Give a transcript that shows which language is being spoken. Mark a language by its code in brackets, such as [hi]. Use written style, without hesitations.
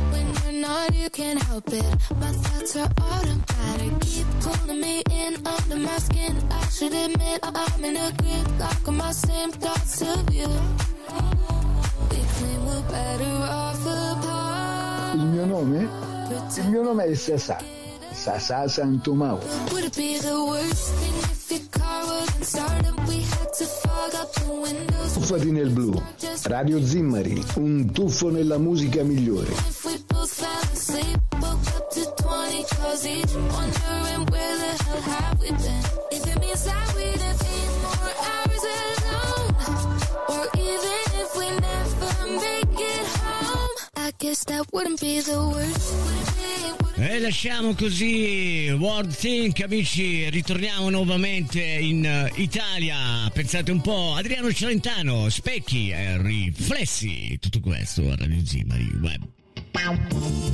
[en] When you're not, you can't help it, my thoughts are automatic. Keep pulling me in under my skin, I should admit I'm in a grip, lock on my same thoughts of you. We claim we're better off apart. [it] Il mio nome? Il mio nome è Sasa, Sasa Santomau. [en] Would it be the worst thing if your car wouldn't start and we had to fog up the windows? [it] Tuffati nel blu, Radio Zimmari, un tuffo nella musica migliore. [en] If we both fell asleep, woke up to 20 cars each, wondering where the hell have we been? If it means that we didn't need more hours alone, or even if we never make it home, I guess that wouldn't be the worst. [it] E lasciamo così World Think, amici, ritorniamo nuovamente in Italia. Pensate un po', Adriano Celentano, Specchi e Riflessi. Tutto questo a Radio Zimari Web.